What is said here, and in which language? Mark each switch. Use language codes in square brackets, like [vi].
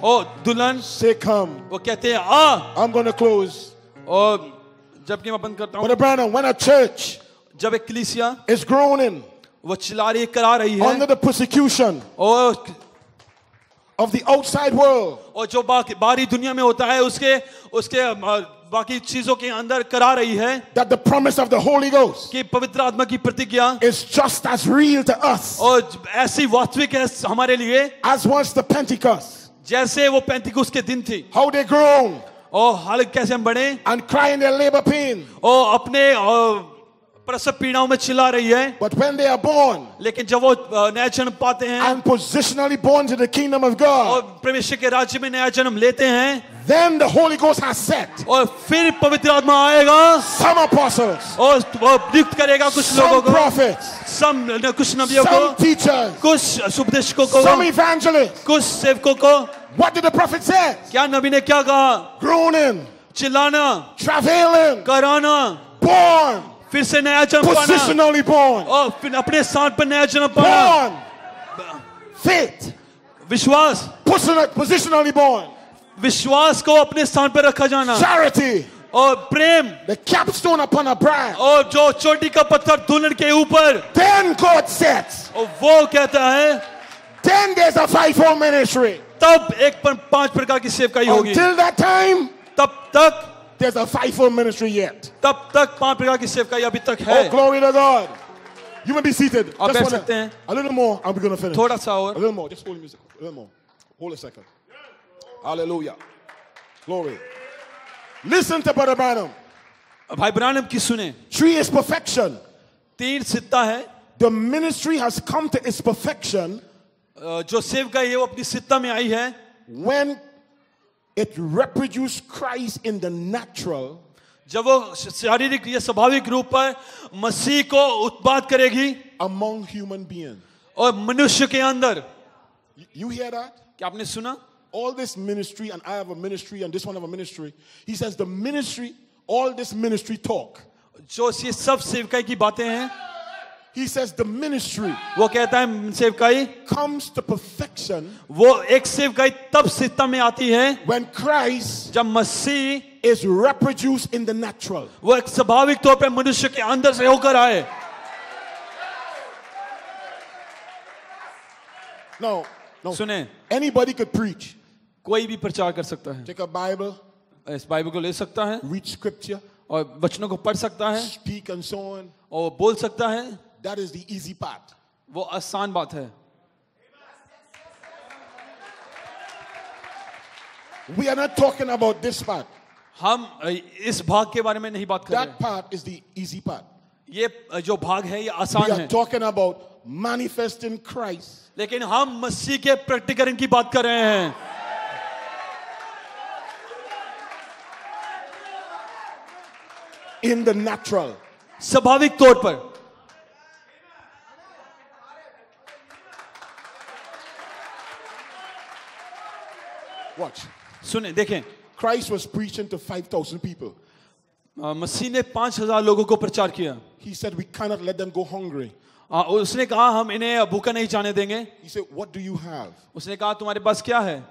[hi] ओ दुल्हन. [en] Say come. [hi] वो कहते हैं आ. [en] I'm going to close. [hi] ओ जबकि मैं बंद करता हूं [en] But Abraham, when a church [hi] जब एक कलीसिया [en] is groaning [hi] वो चिल्ला रही करा रही है [en] under the persecution of the outside world [hi] और जो बाहरी दुनिया में होता है उसके उसके बाकी चीजों के अंदर करा रही है [en] that the promise of the holy ghost [hi] कि पवित्र आत्मा की प्रतिज्ञा [en] is just as real to us [hi] और ऐसी वास्तविक है हमारे लिए [en] as was the pentecost [hi] जैसे वो पेंटिकोस के दिन थे [en] how they groan [hi] और हाल कैसे हम बढ़े [en] and crying their labor pain [hi] और अपने प्रसव पीड़ाओं में चिल्ला रही है [en] but when they are born [hi] लेकिन जब वो नया जन्म पाते हैं [en] and positionally born to the kingdom of God [hi] और परमेश्वर के राज्य में नया जन्म लेते हैं [en] then the holy ghost has set [hi] और फिर पवित्र आत्मा आएगा [en] some apostles [hi] और नियुक्त करेगा कुछ लोगों को [en] some prophets [hi] some कुछ नबियों को [en] some teachers [hi] कुछ उपदेशकों को [en] some evangelists [hi] कुछ सेवकों को [en] What did the prophet say? [hi] क्या नबी ने क्या कहा? [en] Groaning, [hi] चिल्लाना, [en] travailing, [hi] कराना, [en] born, [hi] फिर से नया जन्म [en] पाना, positionally born, [hi] और फिर अपने स्थान पर नया जन्म [en] पाना, born, faith, [hi] विश्वास, [en] positionally born, [hi] विश्वास को अपने स्थान पर रखा जाना, [en] charity, [hi] और प्रेम, [en] the capstone upon a bride, [hi] और जो चोटी का पत्थर दुल्हन के ऊपर, [en] then God sets, [hi] और वो कहता है, [en] then there's a fivefold ministry. [hi] तब एक पर पांच प्रकार की सेवकाई होगी [en] Until that time, [hi] तब तक [en] there's a fivefold ministry yet. [hi] तब तक पांच प्रकार की सेवकाई अभी तक है [en] Oh, glory to God. You may be seated. [hi] आप बैठ सकते हैं [en] A little more, I'm gonna finish. [hi] थोड़ा सा और [en] A little more, just hold the music. A little more. Hold a second. Hallelujah. Glory. Listen to Brother Branham. [hi] भाई ब्रानम की सुने [en] Tree is perfection. [hi] तीन सित्ता है [en] The ministry has come to its perfection. [hi] जो सेवकाई है वो अपनी सित्ता में आई है [en] when it reproduced Christ in the natural [hi] जब वो शारीरिक या स्वाभाविक रूप पर मसीह को उत्पाद करेगी [en] among human being [hi] और मनुष्य के अंदर [en] you hear that [hi] क्या आपने सुना [en] all this ministry and I have a ministry and this one have a ministry he says the ministry all this ministry talk [hi] जो ये सब सेवकाई की बातें हैं [en] He says the ministry. [hi] वो कहता है सेवकाई. [en] Comes to perfection. [hi] वो एक सेवकाई तब सित्ता में आती है. [en] When Christ. [hi] जब मसीह. [en] Is reproduced in the natural. [hi] वो एक स्वाभाविक तौर पे मनुष्य के अंदर से होकर आए. [en] No, no. [hi] सुने. [en] Anybody could preach. [hi] कोई भी प्रचार कर सकता है. [en] Take a Bible. [hi] इस बाइबल को ले सकता है. [en] Read scripture. [hi] और वचनों को पढ़ सकता है. [en] Speak and so on. [hi] और बोल सकता है. [en] That is the easy part. [hi] वो आसान बात है. [en] We are not talking about this part. [hi] हम इस भाग के बारे में नहीं बात कर रहे हैं. [en] That part is the easy part. [hi] ये जो भाग है ये आसान है. [en] We are talking about manifesting Christ. [hi] लेकिन हम मसीह के प्रकटीकरण की बात कर रहे हैं. [en] In the natural. [hi] स्वाभाविक तौर पर. [en] Watch. [hi] सुने देखें. [en] Christ was preaching to 5,000 people. [hi] मसीह ने 5,000 लोगों को प्रचार किया. [en] He said, "We cannot let them go hungry." [hi] उसने कहा हम इन्हें भूखा नहीं जाने देंगे. [en] He said, "What do you have?" [hi] उसने कहा तुम्हारे पास क्या है?